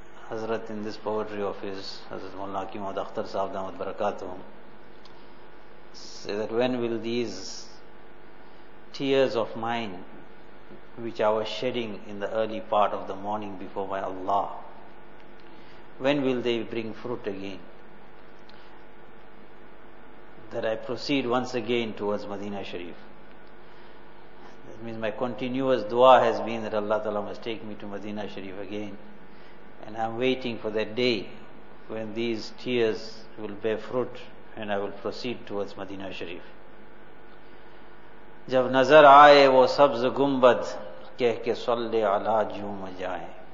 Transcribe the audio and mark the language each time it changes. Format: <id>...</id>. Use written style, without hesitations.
<en>Hazrat in this poetry of his, Hazrat Maulana کی محمد اختر صاحب دامت برکاتہ, says that when will these tears of mine which I was shedding in the early part of the morning before my Allah, when will they bring fruit again, that I proceed once again towards Madina Sharif. That means my continuous دعا has been that Allah تعالیٰ must take me to Madina Sharif again. And I'm waiting for that day when these tears will bear fruit and I will proceed towards Madina Sharif.</en> <ur>جب نظر آئے وہ سبز گنبد کہہ کے صلی علی جوم جائے.</ur>